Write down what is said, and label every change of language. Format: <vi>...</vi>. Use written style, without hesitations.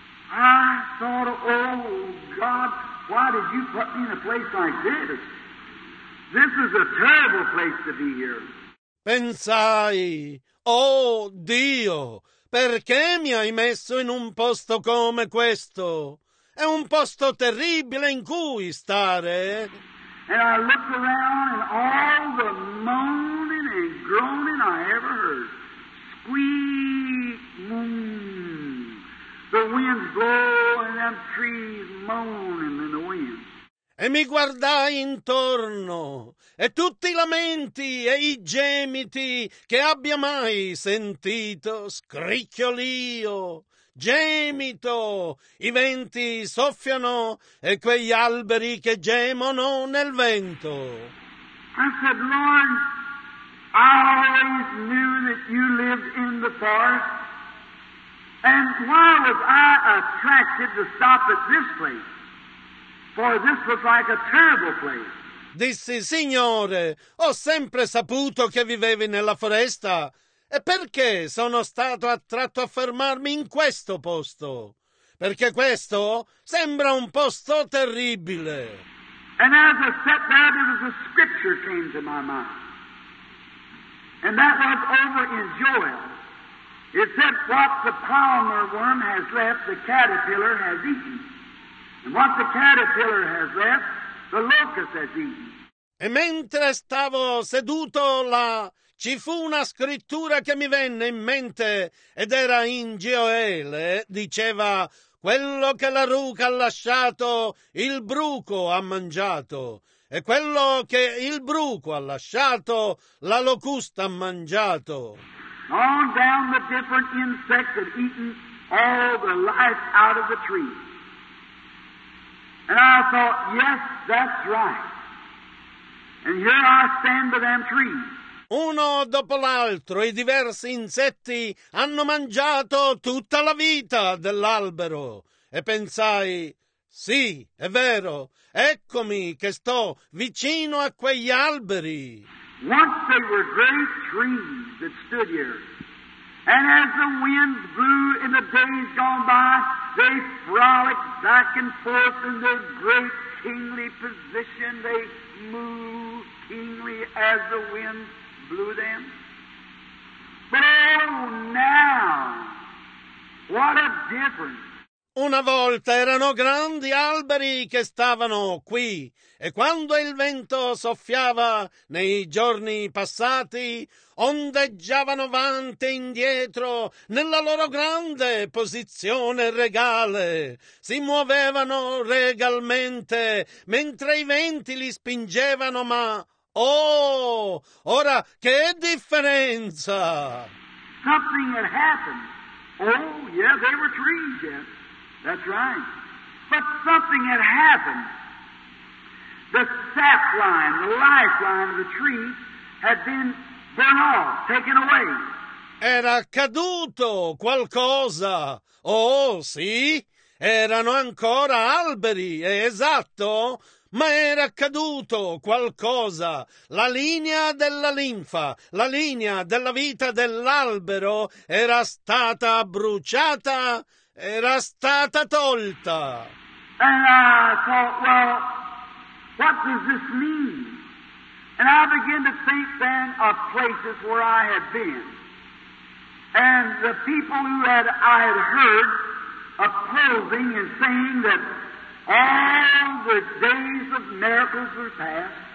<en>I thought, oh, God, why did you put me in a place like this? This is a terrible place to be here.</en> <it>Pensai, oh, Dio, perché mi hai messo in un posto come questo? È un posto terribile in cui stare.</it> <en>And I looked around and all the moaning and groaning I ever heard. Squeak, moan. The wind winds blow and them trees moaning in the wind.</en> <it>E mi guardai intorno, e tutti i lamenti e i gemiti che abbia mai sentito, scricchiolio, gemito, i venti soffiano e quegli alberi che gemono nel vento.</it> <en>I said, Lord, I always knew that you lived in the forest, and why was I attracted to stop at this place? For this was like a terrible place.</en> <it>Dissi, Signore, ho sempre saputo che vivevi nella foresta. E perché sono stato attratto a fermarmi in questo posto? Perché questo sembra un posto terribile.</it> <en>And as I sat there, the scripture came to my mind. And that was over in Joel. It said, what the palmer worm has left, the caterpillar has eaten. And what the caterpillar has left, the locust has eaten.</en> <it>E mentre stavo seduto là, ci fu una scrittura che mi venne in mente, ed era in Gioele, diceva, quello che la ruca ha lasciato, il bruco ha mangiato, e quello che il bruco ha lasciato, la locusta ha mangiato.</it> <en>All down the different insects have eaten all the life out of the tree. And I thought, yes, that's right. And here I stand by them trees.</en> <it>Uno dopo l'altro, i diversi insetti hanno mangiato tutta la vita dell'albero. E pensai, sì, è vero, eccomi che sto vicino a quegli alberi.</it> <en>Once they were great trees that stood here. And as the winds blew in the days gone by, they frolicked back and forth in their great kingly position. They moved kingly as the wind blew them. But oh, now, what a difference.</en> <it>Una volta erano grandi alberi che stavano qui, e quando il vento soffiava nei giorni passati, ondeggiavano avanti e indietro nella loro grande posizione regale. Si muovevano regalmente mentre i venti li spingevano, ma oh, ora che differenza!</it> <en>Something had happened. Oh, yeah, they were trees, yeah. That's right. But something had happened. The sapline, the lifeline of the tree had been burned off, taken away.</en> <it>Era accaduto qualcosa. Oh, sì, erano ancora alberi, è esatto. Ma era accaduto qualcosa. La linea della linfa, la linea della vita dell'albero era stata bruciata. Era stata tolta.</it> <en>And I thought, well, what does this mean? And I began to think then of places where I had been. And the people who had I had heard opposing and saying that all the days of miracles were past.</en>